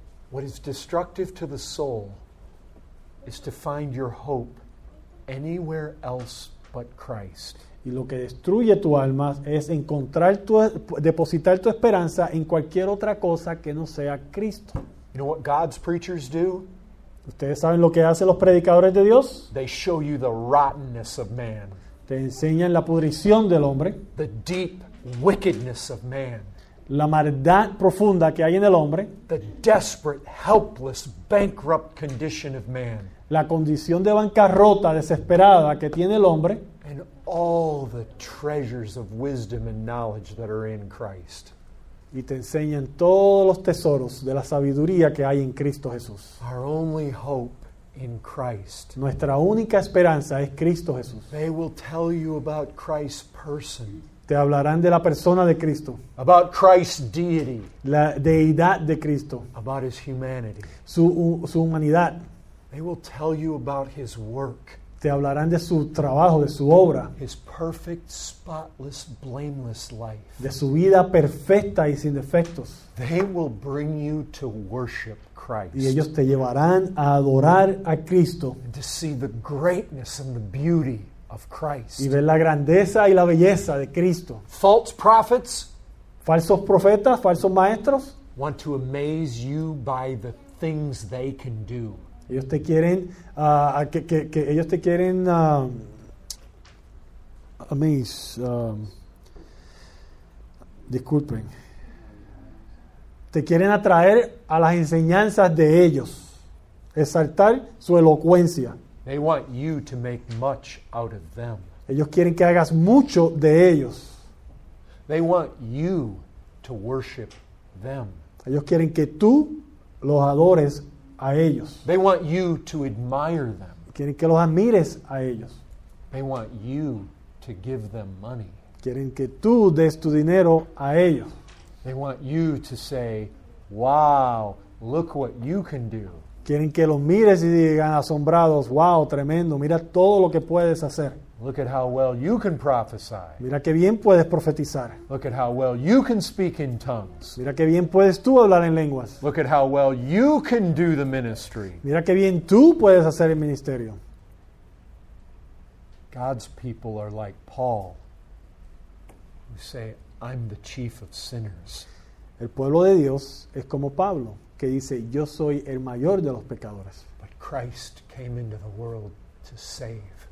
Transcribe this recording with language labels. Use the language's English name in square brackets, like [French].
[English] What is destructive to the soul is to find your hope anywhere else but Christ. [Spanish] Y lo que destruye tu alma es encontrar tu, depositar tu esperanza en cualquier otra cosa que no sea Cristo. [English] You know what God's preachers do? [Spanish] ¿Ustedes saben lo que hacen los predicadores de Dios? [English] They show you the rottenness of man. [Spanish] Te enseñan la pudrición del hombre. [English] The deep wickedness of man. [Spanish] La maldad profunda que hay en el hombre. [English] The desperate, helpless, bankrupt condition of man. [Spanish] La condición de bancarrota desesperada que tiene el hombre. [English] And all the treasures of wisdom and knowledge that are in Christ. [Spanish] Y te enseñan todos los tesoros de la sabiduría que hay en Cristo Jesús. [English] Our only hope in Christ. [Spanish] Nuestra única esperanza es Cristo Jesús. [English] They will tell you about Christ's person. [Spanish] Te hablarán de la persona de Cristo. [English] About Christ's deity. [Spanish] La deidad de Cristo. [English] About his humanity. [Spanish] Su humanidad. [English] They will tell you about his work. [Spanish] Te hablarán de su trabajo, de su obra. [English] His perfect, spotless, blameless life. [Spanish] De su vida perfecta y sin defectos. [English] They will bring you to worship Christ. [Spanish] Y ellos te llevarán a adorar a Cristo. [English] And to see the greatness and the beauty of Christ. [Spanish] Y ver la grandeza y la belleza de Cristo. [English] False prophets. [Spanish] Falsos profetas, falsos maestros. [English] Want to amaze you by the things they can do. [Spanish] Ellos te quieren te quieren atraer a las enseñanzas de ellos, exaltar su elocuencia. [English] They want you to make much out of them. [Spanish] Ellos quieren que hagas mucho de ellos. [English] They want you to worship them. [Spanish] Ellos quieren que tú los adores a ellos. [English] They want you to admire them. [Spanish] Quieren que los admires a ellos. [English] They want you to give them money. [Spanish] Quieren que tú des tu dinero a ellos. [English] They want you to say, wow, look what you can do. [Spanish] Quieren que los mires y digan asombrados, wow, tremendo, mira todo lo que puedes hacer. [English] Look at how well you can prophesy. [Spanish] Mira qué bien puedes profetizar. [English] Look at how well you can speak in tongues. [Spanish] Mira qué bien puedes tú hablar en lenguas. [English] Look at how well you can do the ministry. [Spanish] Mira qué bien tú puedes hacer el ministerio. [English] God's people are like Paul, who say, I'm the chief of sinners. [Spanish] El pueblo de Dios es como Pablo, que dice, yo soy el mayor de los pecadores. [English] But Christ came into the world to save.